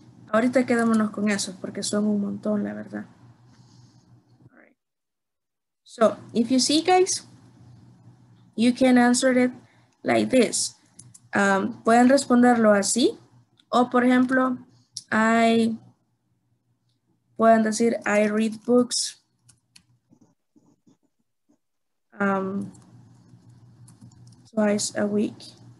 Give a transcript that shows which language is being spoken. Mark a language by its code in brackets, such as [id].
[es] Ahorita quedémonos con esos porque son un montón, la verdad. [en] All right. So, if you see, guys, you can answer it like this. [es] Pueden responderlo así, o por ejemplo, pueden decir, [en] I read books twice a week.